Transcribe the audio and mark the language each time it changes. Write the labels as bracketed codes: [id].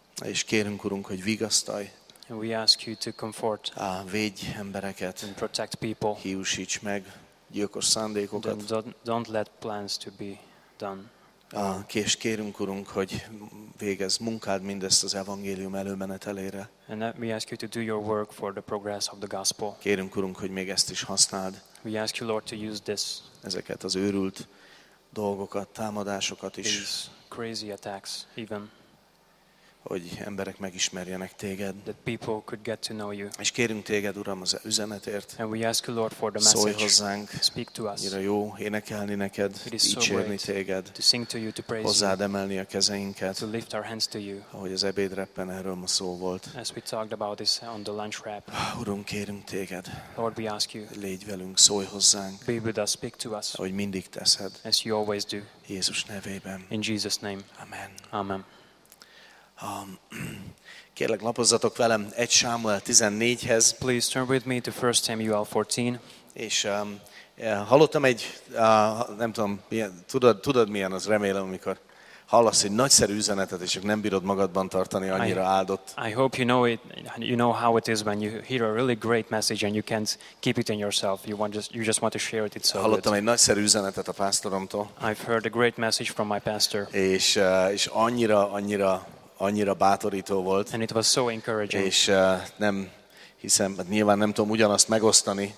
[hu] És kérünk, Urunk, hogy vigasztalj. [en] And we ask you to comfort. [hu] Védj embereket. [en] And protect people. [hu] Hiúsíts meg gyilkos szándékokat. [en] Don't let plans to be done. [hu] És kérünk, Urunk, hogy végezz munkád mindezt az evangélium előmenetelére. [en] And we ask you to do your work for the progress of the gospel. [hu] Kérünk, Urunk, hogy még ezt is használd. [en] We ask you, Lord, to use this. [hu] Ezeket az őrült dolgokat, támadásokat is. [en] These crazy attacks, even. [hu] Hogy emberek megismerjenek téged. [en] That people could get to know you. [hu] És kérünk téged, Uram, az üzenetért. [en] And we ask you, Lord, for the message. [hu] Szólj hozzánk. [en] Speak to us. [hu] Jó énekelni neked, dicsérni téged. [en] To sing to you, to praise [hu] hozzád emelni a kezeinket. [en] To lift our hands to you. [hu] Ahogy az ebédreppen erről ma szó volt. [en] As we talked about this on the lunch wrap. [hu] Urunk, kérünk téged. [en] Lord, we ask you. [hu] Légy velünk, szólj hozzánk. [en] Be with us, speak to us. [hu] Ahogy mindig teszed. [en] As you always do. [hu] Jézus nevében. [en] In Jesus' name. Amen. Amen. [hu] Kérlek, lapozzatok velem 1 Sámuel 14-hez. [en] Please turn with me to 1 Samuel 14. [hu] És hallottam egy, nem tudom, milyen, tudod milyen az, remélem, amikor hallasz egy nagyszerű üzenetet, és nem bírod magadban tartani, annyira áldott. [en] I hope you know it, you know how it is when you hear a really great message and you can't keep it in yourself. You just want to share it. It's so [hu] hallottam [en] good. [hu] Egy nagyszerű üzenetet a pásztoromtól. [en] I've heard a great message from my pastor. [hu] És annyira bátorító volt. [en] And it was so encouraging. [hu] És nem hiszem, nyilván nem tudom ugyanazt megosztani.